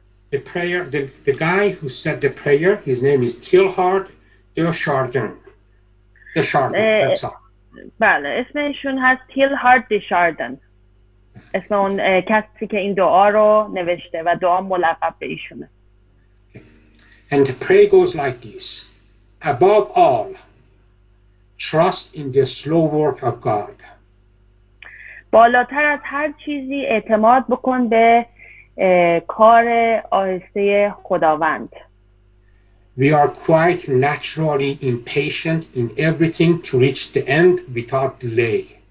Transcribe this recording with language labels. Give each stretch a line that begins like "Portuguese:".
English: The guy who said the prayer, his name is Teilhard de Chardin. De Chardin, that's all.
Persian: بله اسم ایشون هست Teilhard de Chardin. اسم اون کسی که این دعا رو نوشته و دعا ملقب به ایشونه.
English: And the prayer goes like this. Above all, trust in the slow work of God.
Persian: بالاتر از هر چیزی اعتماد بکن به کار آهسته خداوند.
English: We are quite naturally impatient in everything to reach the end without delay.